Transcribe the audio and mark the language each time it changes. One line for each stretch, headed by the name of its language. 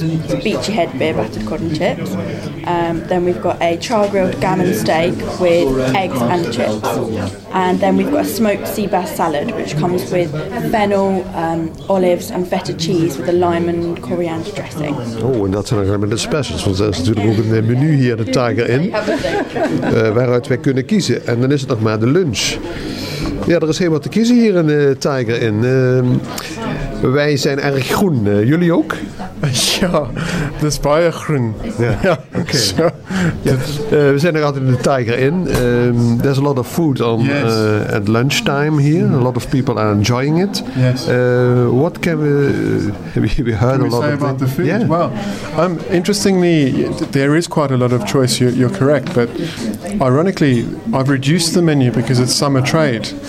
English: It's Beachy Head beer battered cod and chips. Then we've got a char grilled gammon steak with eggs and chips. And then we've got a smoked sea bass salad, which comes with fennel, olives and feta cheese with a lime and coriander dressing.
Dutch: Oh, en dat zijn nog helemaal de specials, want dat is natuurlijk ook een menu hier, de Tiger Inn, waaruit wij kunnen kiezen. En dan is het nog maar de lunch. Ja, er is helemaal te kiezen hier in de Tiger Inn. Wij zijn erg groen, jullie ook? Ja, dat is baie groen. Ja, ja. Oké. Okay. So. Yes. We zijn nog altijd in de Tiger Inn.
English: There's a lot of food on at lunchtime here. Mm. A lot of people are enjoying it. Yes. What can we have you heard can a lot say of about the food? Yeah. Well, interestingly, there is quite a lot of choice. You're correct, but ironically, I've reduced the menu because it's summer trade.